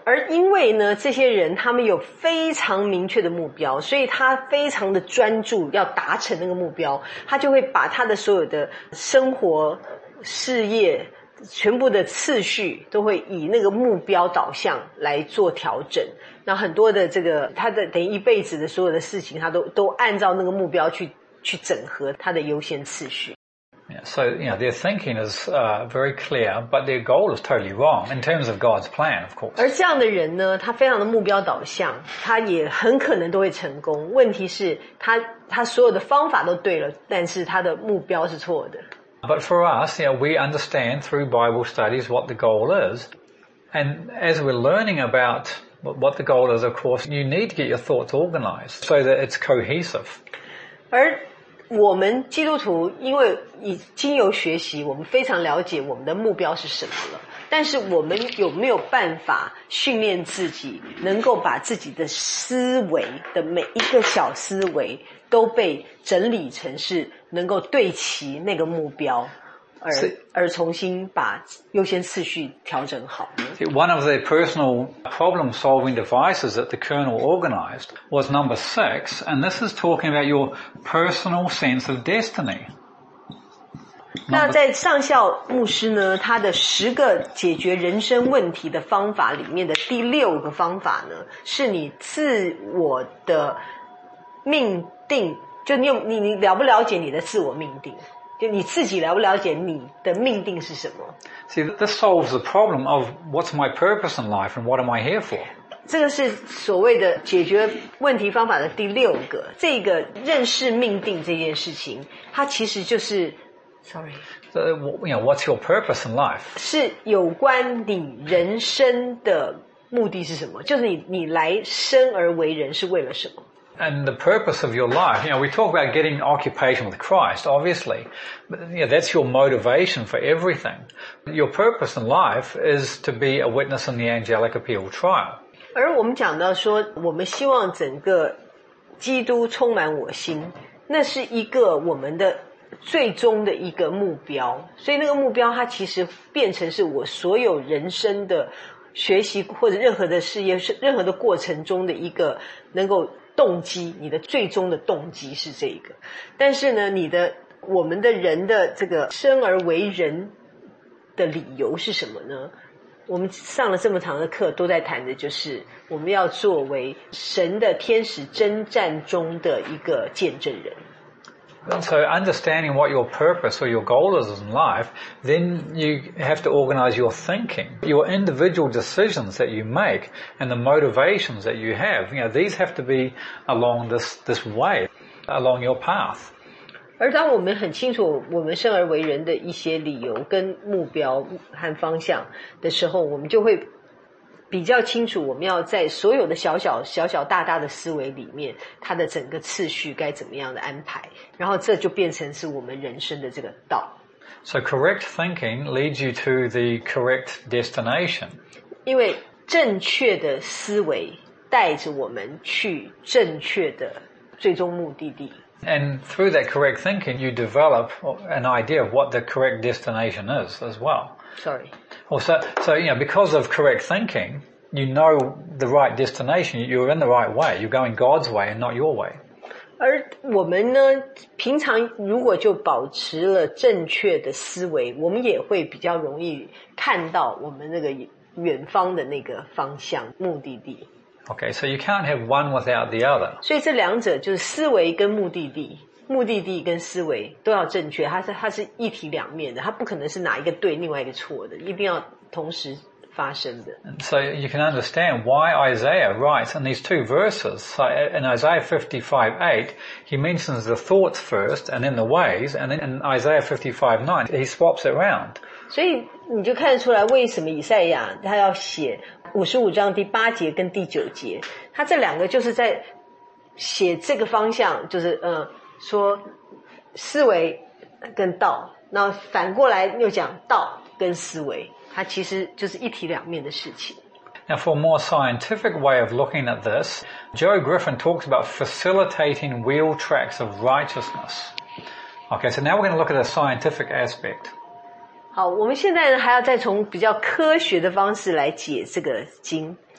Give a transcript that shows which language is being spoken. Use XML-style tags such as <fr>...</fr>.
<zh>而因为呢，这些人他们有非常明确的目标，所以他非常的专注要达成那个目标，他就会把他的所有的生活、事业全部的次序都会以那个目标导向来做调整。那很多的这个他的等于一辈子的所有的事情，他都按照那个目标去整合他的优先次序。</zh> <en>So, you know, their thinking is very clear, but their goal is totally wrong in terms of God's plan, of course.</en> <zh>而这样的人呢，他非常的目标导向，他也很可能都会成功。问题是他所有的方法都对了，但是他的目标是错的。</zh> <en>But for us, you know, we understand through Bible studies what the goal is. And as we're learning about what the goal is, of course, you need to get your thoughts organized so that it's cohesive.</en> <zh>而我们基督徒因为已经有学习，我们非常了解我们的目标是什么了，但是我们有没有办法训练自己能够把自己的思维的每一个小思维都被整理成是能够对齐那个目标，而重新把优先次序调整好。</zh> <en>See, one of the personal problem solving devices that the Colonel organized was number six, and this is talking about your personal sense of destiny.</en> <zh>那在上校牧师呢，他的十个解决人生问题的方法里面的第六个方法呢，是你自我的命定，就你了不了解你的自我命定。你自己了不了解你的命定是什么？</zh> <en>See, this solves the problem of what's my purpose in life and what am I here for?</en> <zh>这个是所谓的解决问题方法的第六个，这个认识命定这件事情，它其实就是 ，</zh> <en>sorry， so, you know, what's your purpose in life?</en> <zh>是有关你人生的目的是什么？就是你来生而为人是为了什么？</zh> <en>And the purpose of your life, you know, we talk about getting occupation with Christ, obviously. But, you know, that's your motivation for everything. Your purpose in life is to be a witness in the angelic appeal trial.</en> <zh>而我们讲到说，我们希望整个基督充满我心，那是一个我们的最终的一个目标。所以那个目标它其实变成是我所有人生的学习或者任何的事业，任何的过程中的一个能够动机，你的最终的动机是这个。但是呢，你的我们的人的这个生而为人的理由是什么呢？我们上了这么长的课都在谈的就是我们要作为神的天使征战中的一个见证人。</zh> <en>So understanding what your purpose or your goal is in life, then you have to organize your thinking. Your individual decisions that you make and the motivations that you have, you know, these have to be along this way, along your path.</en> <zh>而当我们很清楚我们生而为人的一些理由跟目标和方向的时候，我们就会比较清楚我们要在所有的小小小小大大的思维里面它的整个次序该怎么样的安排，然后这就变成是我们人生的这个道。</zh> <en>So correct thinking leads you to the correct destination.</en> <zh>因为正确的思维带着我们去正确的最终目的地。</zh> <en>And through that correct thinking, you develop an idea of what the correct destination is as well. Sorry. So, you know, because of correct thinking, you know the right destination, you're in the right way, you're going God's way and not your way.</en> <zh>而我们呢，平常如果就保持了正确的思维，我们也会比较容易看到我们那个远方的那个方向，目的地。</zh> <en>Okay, so you can't have one without the other.</en> <zh>所以这两者就是思维跟目的地，目的地跟思维都要正确，它是一体两面的，它不可能是哪一个对，另外一个错的，一定要同时发生的。</zh> <en>So you can understand why Isaiah writes in these two verses. So in Isaiah 55:8, he mentions the thoughts first and then the ways, and then in Isaiah 55:9, he swaps it around.</en> <zh>所以你就看得出来为什么以赛亚他要写55章第八节跟第九节，他这两个就是在写这个方向，就是说思维跟道，那反过来又讲道跟思维，它其实就是一体两面的事情。</zh> <en>Now for a more scientific way of looking at this, Joe Griffin talks about facilitating wheel tracks of righteousness. Okay, so now we're going to look at a scientific aspect.</en> <zh>好，我们现在还要再从比较科学的方式来解这个经。</zh>